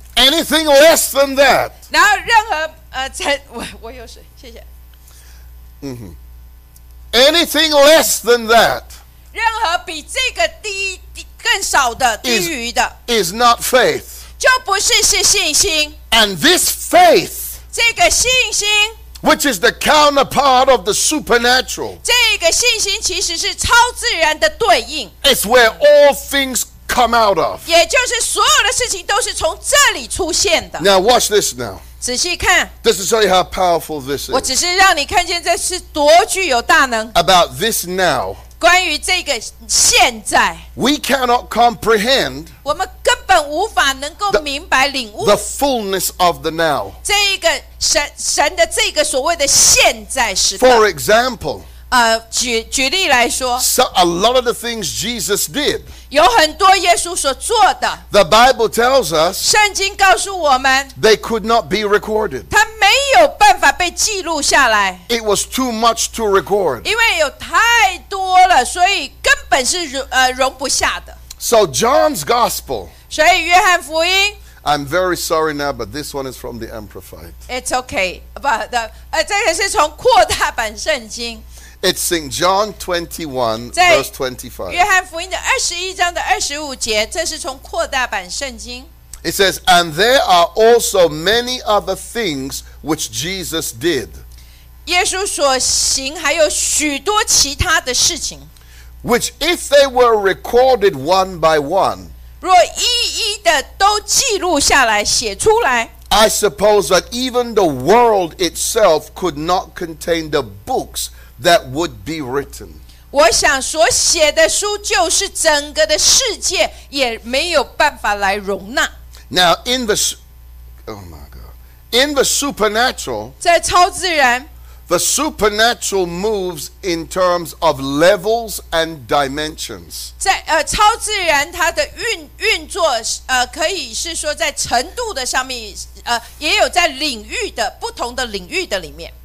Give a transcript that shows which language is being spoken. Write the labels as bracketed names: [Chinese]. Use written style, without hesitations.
[English] Anything less than that, [Chinese] 然后任何，我有水，谢谢。嗯哼。 [English] Anything less than that, [Chinese] 任何比这个低更少的低于的, [English] is not faith, [Chinese] 就不是信心。 [English] And this faith, [Chinese] 这个信心, [English] which is the counterpart of the supernatural, [Chinese] 这个信心其实是超自然的对应, [English] it's where all things come out of, [Chinese] 也就是所有的事情都是从这里出现的。 [English] Now watch this now. [Chinese] 仔细看, [English] this is to show you how powerful this is. [Chinese] 我只是让你看见这是多具有大能。 [English] About this now, [Chinese] 关于这个现在 [English] we cannot comprehend the fullness of the now. [Chinese] 这一个神的这个所谓的现在时刻 [English] For example, [Chinese] 举例来说 [English] so, a lot of the things Jesus did, [Chinese] 有很多耶稣所做的 [English] the Bible tells us, [Chinese] 圣经告诉我们 [English] they could not be recorded. [Chinese] 他没有办法被记录下来 [English] it was too much to record. [Chinese] 因为有太多了所以根本是容不下的 [English] So John's Gospel. [Chinese] 所以约翰福音 [English] I'm very sorry now, but this one is from the Amplified. It's okay, but the [Chinese] 这个是从扩大版圣经 [English] It's in John 21, verse 25. [Chinese] 约翰福音的二十一章的二十五节，这是从扩大版圣经 [English] It says, "And there are also many other things which Jesus did." [Chinese] 耶稣所行还有许多其他的事情。 [English] Which, if they were recorded one by one, [Chinese] 若一一的都记录下来写出来 [English] I suppose that even the world itself could not contain the books that would be written. [Chinese] 我想所写的书就是整个的世界也没有办法来容纳 [English] Now, in the, oh my God, in the supernatural, [Chinese] 在超自然 [English] The supernatural moves in terms of levels and dimensions. [Chinese] 在超自然它的运作可以是说在程度的上面也有在领域的不同的领域的里面。